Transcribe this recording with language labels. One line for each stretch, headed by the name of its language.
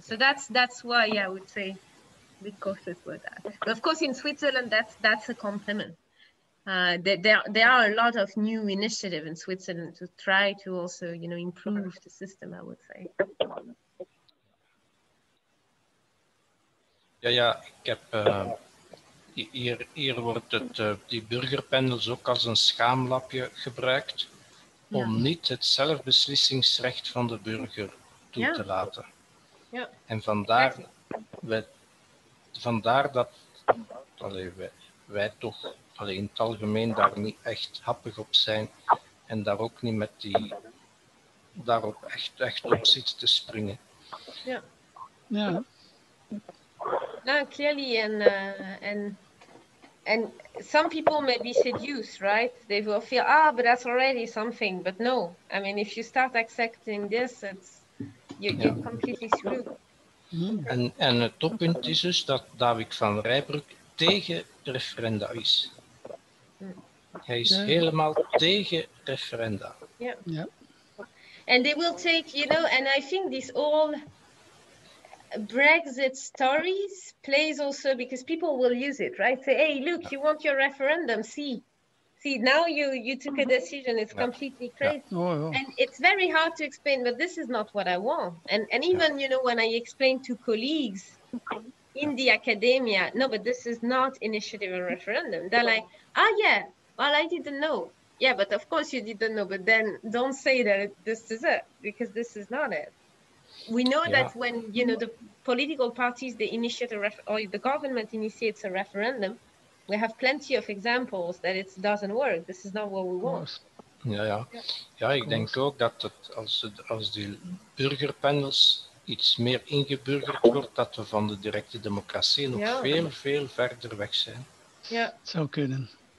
English: So that's why I would say a bit cautious with that. But of course, in Switzerland, that's a compliment. There are a lot of new initiatives in Switzerland to try to also, you know, improve the system, I would say.
Dutch: Ja, ik heb hier wordt het die burgerpanels ook als een schaamlapje gebruikt om niet het zelfbeslissingsrecht van de burger toe te laten. Ja. En vandaar dat wij in het algemeen daar niet echt happig op zijn en daar ook niet met die daarop echt op zit te springen. Ja. Ja.
English: No, clearly, and some people may be seduced, right? They will feel, but that's already something. But no, I mean, if you start accepting this, you're completely screwed.
Dutch: En het toppunt is dus dat David van Rijbroek tegen referenda is. Hij is helemaal tegen referenda.
English: Yeah. And they will take, you know, and I think this all Brexit stories plays also, because people will use it, right? Say, hey, look, you want your referendum, see now you took a decision, it's completely crazy. Yeah. Oh, yeah. And it's very hard to explain, but this is not what I want. And even, you know, when I explain to colleagues in the academia, no, but this is not initiative and referendum, they're like, oh yeah, well, I didn't know. Yeah, but of course you didn't know, but then don't say that this is it, because this is not it. We know that when, you know, the political parties, they initiate a the government initiates a referendum, we have plenty of examples that it doesn't work. This is not what we want.
Dutch: Ja, ik denk ook dat het, als die burgerpanels iets meer ingeburgerd wordt, dat we van de directe democratie nog veel, veel verder weg zijn. Ja. Zou kunnen.